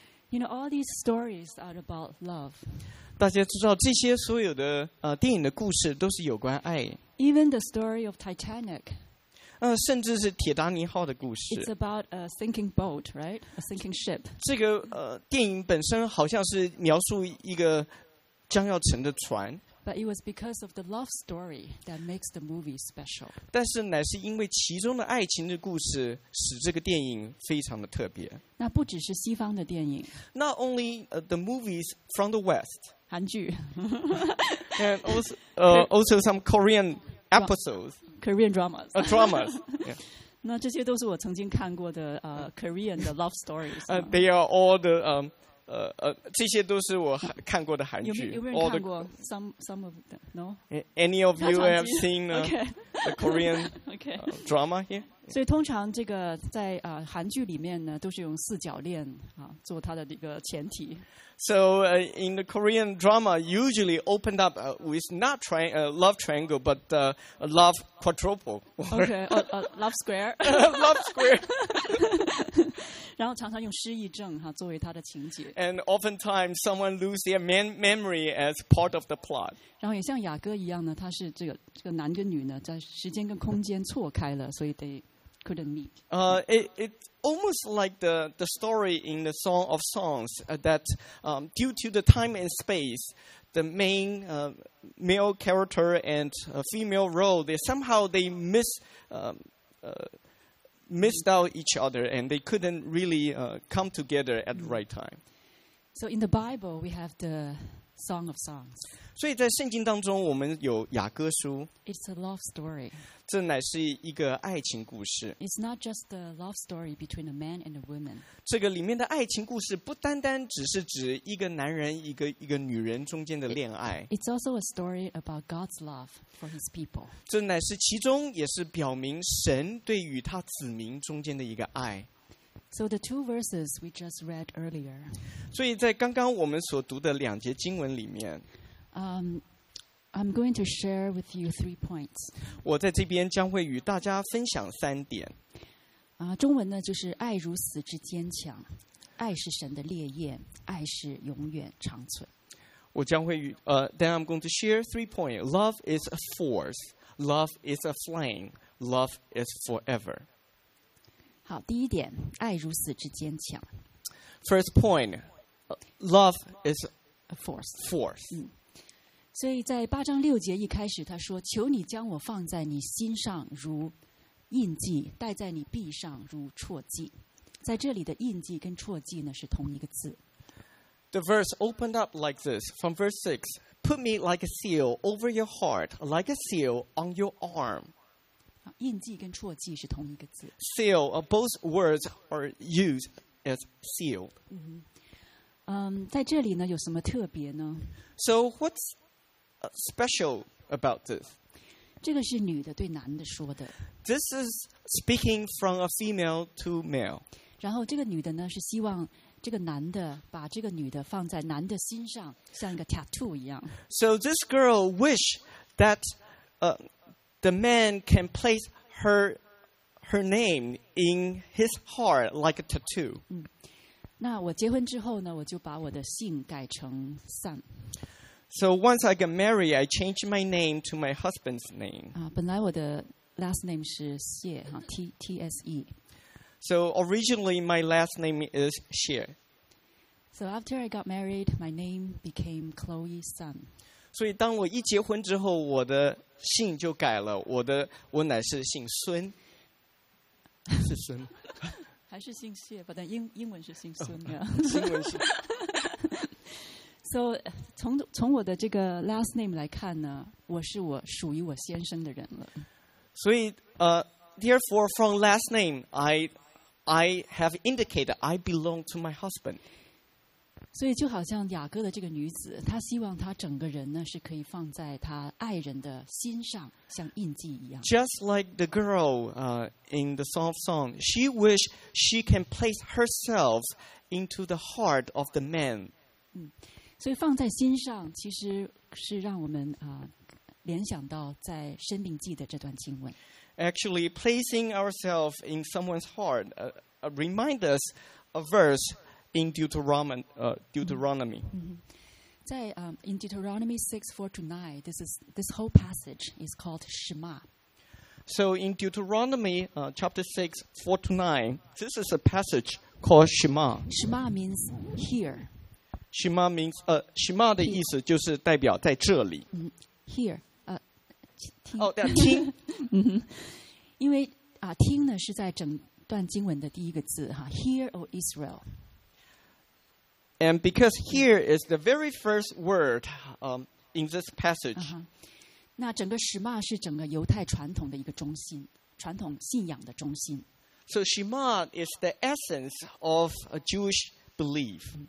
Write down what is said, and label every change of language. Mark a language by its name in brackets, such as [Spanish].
[English] You know, all these stories are about love. [Chinese] 大家知道这些所有的电影的故事都是有关爱。 [English] Even the story of Titanic. [Chinese] 甚至是铁达尼号的故事。 [English] It's about a sinking boat, right? A sinking ship. [Chinese] 这个电影本身好像是描述一个将要沉的船。 [English] But it was because of the love story that makes the movie special. [Chinese] 但是乃是因为其中的爱情的故事使这个电影非常的特别。那不只是西方的电影。 [English] Not only the movies from the West. [Chinese] 韩剧。 [English] And also some Korean episodes. Korean dramas. Dramas. Yeah. [Chinese] 那这些都是我曾经看过的Korean 的 [English] love stories. They are all the... [Chinese] 这些都是我看过的韩剧。有没有看过 [English] some of them? No? Any of you have seen the Korean okay. Drama here? [Chinese] 所以通常这个在韩剧里面呢都是用四角恋做它的一个前提。 [English] So in the Korean drama, usually opened up with not love triangle, but love quadruple. Okay, love square. love square. [Chinese] 然后常常用失忆症作为他的情节。 [English] And oftentimes someone lose their memory as part of the plot. [Chinese] 然后也像雅各一样呢，他是这个男跟女呢，在时间跟空间错开了，所以 [English] they couldn't meet. It almost like the story in the Song of Songs that due to the time and space, the main male character and female role, they somehow they missed out each other, and they couldn't really come together at the right time. So in the Bible, we have the Song of Songs. [Chinese] 所以在圣经当中，我们有雅歌书。 [English] It's a love story. [Chinese] 这乃是一个爱情故事。 [English] It's not just the love story between a man and a woman. [Chinese] 这个里面的爱情故事不单单只是指一个男人一个女人中间的恋爱。 [English] It's also a story about God's love for His people. [Chinese] 这乃是其中也是表明神对于他子民中间的一个爱。 [English] So the two verses we just read earlier. [Chinese] 所以在刚刚我们所读的两节经文里面。 [English] I'm going to share with you three points. [Chinese] 我在这边将会与大家分享三点。中文呢就是爱如此之坚强，爱是神的烈焰，爱是永远长存。我将会与 [English] Then I'm going to share three points. Love is a force. Love is a flame. Love is forever. [Chinese] 好，第一点，爱如此之坚强。 [English] First point, love is a force. Force. [Chinese] 所以在八章六节一开始，他说：“求你将我放在你心上，如印记；戴在你臂上，如戳记。” 在这里的印记跟戳记呢是同一个字。 [English] The verse opened up like this from verse 6: Put me like a seal over your heart, like a seal on your arm. [Chinese] 印记跟戳记是同一个字。 [English] Seal, both words are used as seal. [Chinese] 在这里呢有什么特别呢 [English] ？So what's special about this? [Chinese] 这个是女的对男的说的。 [English] This is speaking from a female to male. [Chinese] 然后这个女的呢是希望这个男的把这个女的放在男的心上，像一个 tattoo 一样。 [English] So this girl wish that The man can place her name in his heart like a tattoo. [Chinese] 那我结婚之后呢，我就把我的姓改成 Sun. [English] So once I get married, I changed my name to my husband's name. [Chinese] 本来我的 last name 是谢 T T S E. [English] So originally my last name is Xie. So after I got married, my name became Chloe Sun. [Chinese] 所以当我一结婚之后我的姓就改了我乃是姓孙是孙还是姓谢但 英文是姓孙的英文是 So 从我的这个 last name 来看呢我是我属于我先生的人了所以 [English] Therefore from last name I I have indicated I belong to my husband. [Chinese] 所以就好像雅各的这个女子，她希望她整个人呢是可以放在她爱人的心上，像印记一样。 [English] Just like the girl, in the Song of Song, she wished she can place herself into the heart of the man. [Chinese] 所以放在心上，其实是让我们联想到在《申命记》的这段经文。 [English] Actually, placing ourselves in someone's heart, reminds us a verse in Deuteronomy. In Deuteronomy 6:4-9, this whole passage is called Shema. So in Deuteronomy chapter 6:4-9, this is a passage called Shema. Shema means here. Shema means, [Chinese] Shema 的意思就是代表在这里。 [English] Here. [Chinese] 听。哦，对，听。因为听呢是在整段经文的第一个字哈 ， [English] Hear, O Israel. And because here is the very first word, in this passage. [Chinese] 那整个什玛是整个犹太传统的一个中心，传统信仰的中心。 [English] So Shema is the essence of a Jewish belief.